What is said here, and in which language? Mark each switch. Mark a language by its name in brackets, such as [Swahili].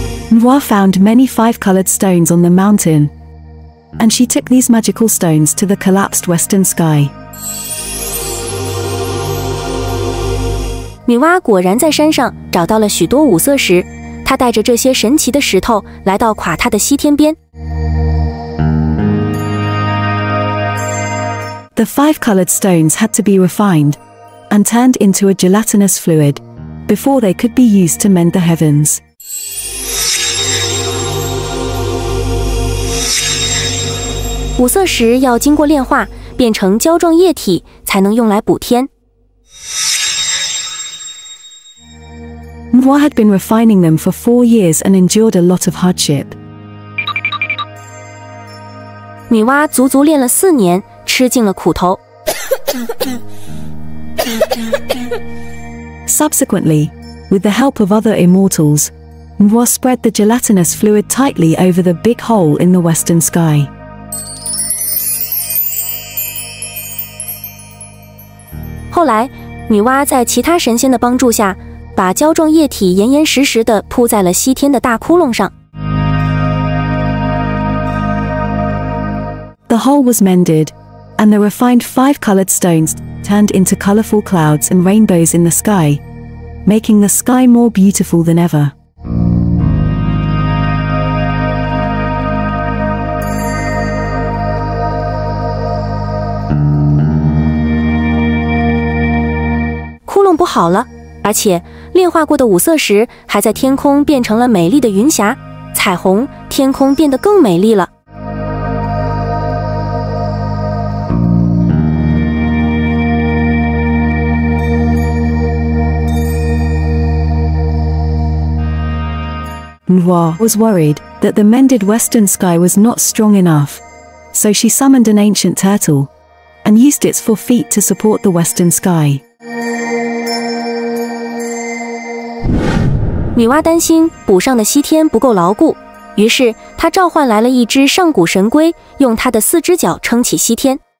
[English] Nuwa found many five-colored stones on the mountain, and she took these magical stones to the collapsed western sky. [Chinese] 女娲果然在山上找到了许多五色石，她带着这些神奇的石头来到垮塌的西天边。 [English] The five-colored stones had to be refined. And turned into a gelatinous fluid before they could be used to mend the heavens. [Chinese] 五色石要经过炼化，变成胶状液体，才能用来补天。 [English] Nuwa had been refining them for 4 years and endured a lot of hardship. [Chinese] 女娲足足练了四年，吃尽了苦头。 [English] Subsequently, with the help of other immortals, Nuwa spread the gelatinous fluid tightly over the big hole in the western sky. [Chinese] 后来，女娲在其他神仙的帮助下，把胶状液体严严实实地铺在了西天的大窟窿上。 [English] The hole was mended, and the refined five-colored stones turned into colorful clouds and rainbows in the sky, making the sky more beautiful than ever. [Chinese] 窟窿不好了，而且炼化过的五色石还在天空变成了美丽的云霞，彩虹，天空变得更美丽了。 [English] Nuwa was worried that the mended western sky was not strong enough, so she summoned an ancient turtle and used its 4 feet to support the western sky. [Chinese] 女娲担心补上的西天不够牢固，于是她召唤来了一只上古神龟，用它的四只脚撑起西天。